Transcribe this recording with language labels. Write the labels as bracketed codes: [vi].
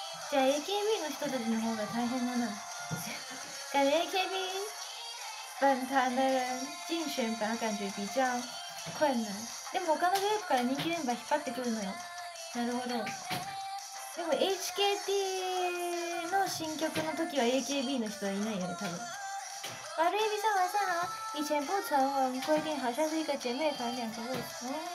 [ja] じゃあ AKB の人たちの方が大変だな。 [zh] 感觉 AKB 本团的人进选拔感觉比较困难。 [ja] でも他のグループから人気メンバー引っ張ってくるのよ。なるほど。でも HKT の新曲の時は AKB の人はいないよね、たぶん。 [zh] マルエビさん、晚上好。以前不成文规定好像是一个姐妹团两个位置。